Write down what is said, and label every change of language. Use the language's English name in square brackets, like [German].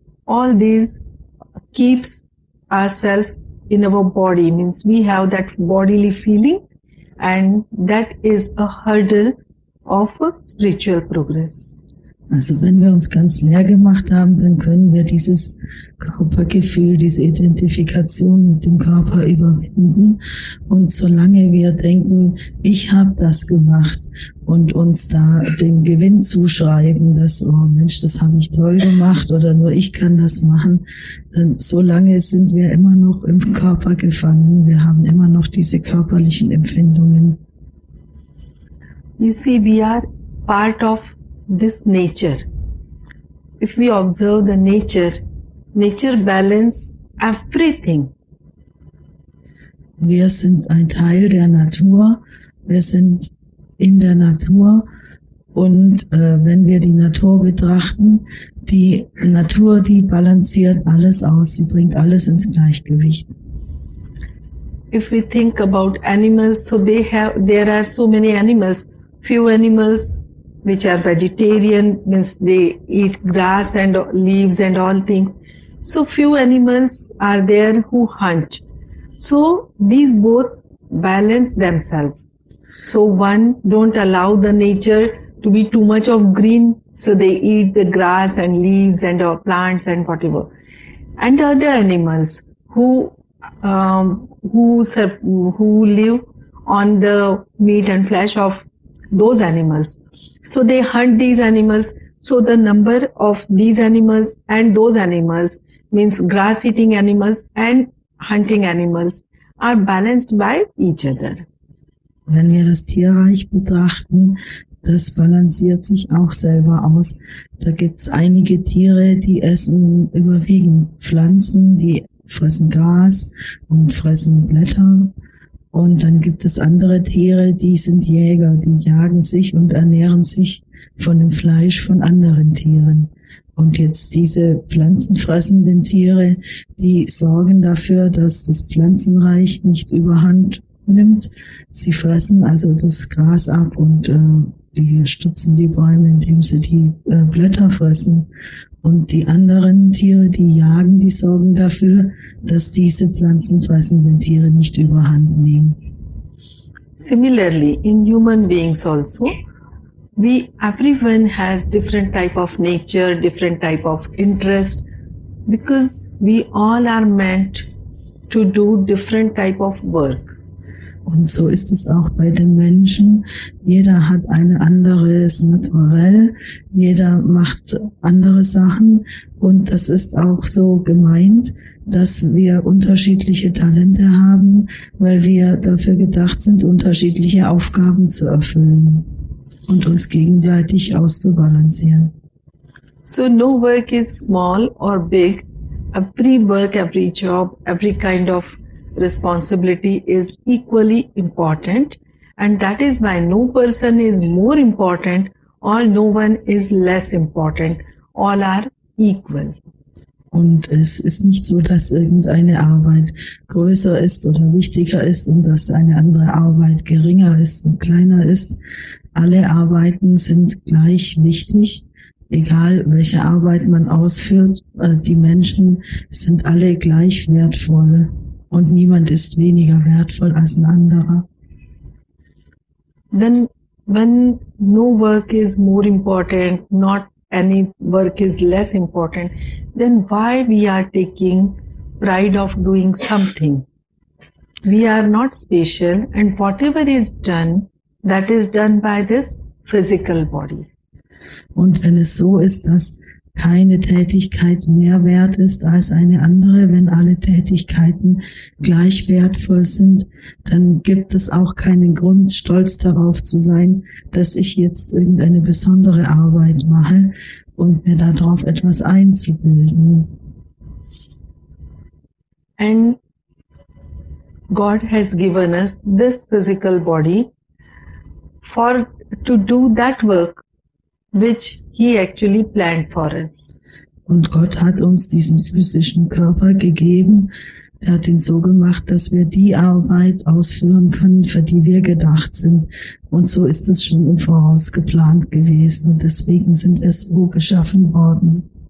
[English] All these keeps ourselves in our body, means we have that bodily feeling, and that is a hurdle of spiritual progress. [German] Also wenn wir uns ganz leer gemacht haben, dann können wir dieses Körpergefühl, diese Identifikation mit dem Körper überwinden. Und solange wir denken, ich habe das gemacht und uns da den Gewinn zuschreiben, dass, oh Mensch, das habe ich toll gemacht oder nur ich kann das machen, dann solange sind wir immer noch im Körper gefangen. Wir haben immer noch diese körperlichen Empfindungen. [English] You see, we are part of this nature. If we observe the nature, nature balances everything. [German] Wir sind ein Teil der Natur. Wir sind in der Natur. Und wenn wir die Natur betrachten, die Natur, die balanciert alles aus. Sie bringt alles ins Gleichgewicht. [English] If we think about animals, so there are so many animals. Few animals which are vegetarian, means they eat grass and leaves and all things. So few animals are there who hunt. So these both balance themselves. So one don't allow the nature to be too much of green, so they eat the grass and leaves and plants and whatever. And other animals who live on the meat and flesh of those animals. So they hunt these animals. So the number of these animals and those animals, means grass eating animals and hunting animals, are balanced by each other. [German] Wenn wir das Tierreich betrachten, das balanciert sich auch selber aus. Da gibt's einige Tiere, die essen überwiegend Pflanzen, die fressen Gras und fressen Blätter. Und dann gibt es andere Tiere, die sind Jäger, die jagen sich und ernähren sich von dem Fleisch von anderen Tieren. Und jetzt diese pflanzenfressenden Tiere, die sorgen dafür, dass das Pflanzenreich nicht überhand nimmt. Sie fressen also das Gras ab und die stutzen die Bäume, indem sie die Blätter fressen. Und die anderen Tiere, die jagen, die sorgen dafür, dass diese pflanzenfressenden Tiere nicht überhand nehmen. [English] Similarly, in human beings also, everyone has different type of nature, different type of interest, because we all are meant to do different type of work. [German] Und so ist es auch bei den Menschen. Jeder hat eine andere Naturell. Jeder macht andere Sachen. Und das ist auch so gemeint, dass wir unterschiedliche Talente haben, weil wir dafür gedacht sind, unterschiedliche Aufgaben zu erfüllen. und uns gegenseitig auszubalancieren. [English] So no work is small or big. Every work, every job, every kind of responsibility is equally important. And that is why no person is more important or no one is less important. All are equal. [German] Und es ist nicht so, dass irgendeine Arbeit größer ist oder wichtiger ist und dass eine andere Arbeit geringer ist und kleiner ist. Alle Arbeiten sind gleich wichtig, egal welche Arbeit man ausführt. Die Menschen sind alle gleich wertvoll und niemand ist weniger wertvoll als ein anderer. [English] Then when no work is more important, not any work is less important, then why we are taking pride of doing something? We are not special, and whatever is done, that is done by this physical body. [German] Und wenn es so ist, dass keine Tätigkeit mehr wert ist als eine andere, wenn alle Tätigkeiten gleich wertvoll sind, dann gibt es auch keinen Grund, stolz darauf zu sein, dass ich jetzt irgendeine besondere Arbeit mache und mir darauf etwas einzubilden. [English] And God has given us this physical body for to do that work which he actually planned for us. [German] Und Gott hat uns diesen physischen Körper gegeben. Er hat ihn so gemacht, dass wir die Arbeit ausführen können, für die wir gedacht sind. Und so ist es schon im Voraus geplant gewesen. Und deswegen sind wir so geschaffen worden.